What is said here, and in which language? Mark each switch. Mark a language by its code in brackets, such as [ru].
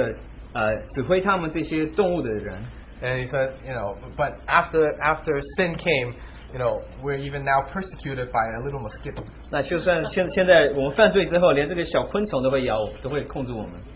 [zh] 那就讲到说人是怎么样是站在军队里面，他是来指挥他们这些动物的人。 [en] And he said, but after sin came, we're even now persecuted by a little mosquito. [zh] 那就算现在我们犯罪之后，连这个小昆虫都会咬，都会控制我们。